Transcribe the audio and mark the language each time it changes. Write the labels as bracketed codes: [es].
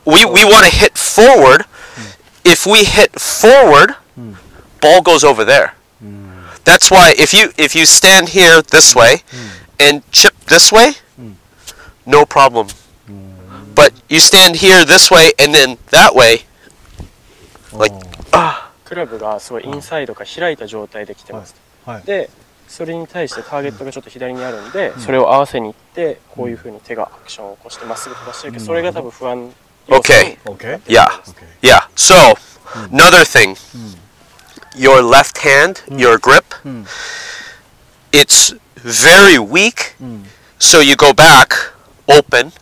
[en] We want to hit forward. If we hit forward, ball goes over there. That's why if you stand here this way and chip this way, no problem. But you stand here this way and then that way, like [ja] クラブがすごいインサイドか開いた状態で来てます。はい。で、それに対してターゲットがちょっと左にあるんで、それを合わせに行って、こういうふうに手がアクションを起こしてまっすぐ飛ばしてるけど、それが多分不安要素になってるんです。 [en] Okay. Okay. Yeah. Okay. Yeah. So, another thing. Your left hand, your grip, it's very weak, so you go back, open.